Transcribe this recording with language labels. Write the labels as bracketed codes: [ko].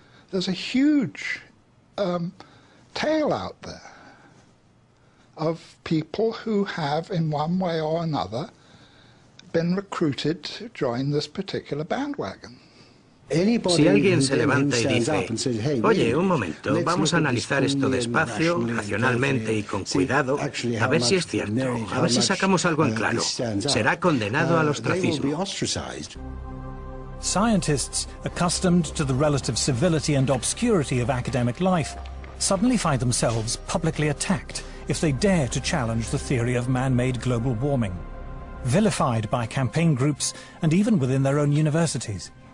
[en] There's a huge tail out there of people who have, in one way or another, been recruited to join this particular bandwagon. [es] Si alguien se levanta y dice, oye, un momento, vamos a analizar esto despacio, racionalmente y con cuidado, a ver si es cierto, a ver si sacamos algo en claro, será condenado al ostracismo. [en] Scientists, accustomed to the relative civility and obscurity of academic life, suddenly find themselves publicly attacked if they dare to challenge the theory of man-made global warming, vilified by campaign groups and even within their own universities.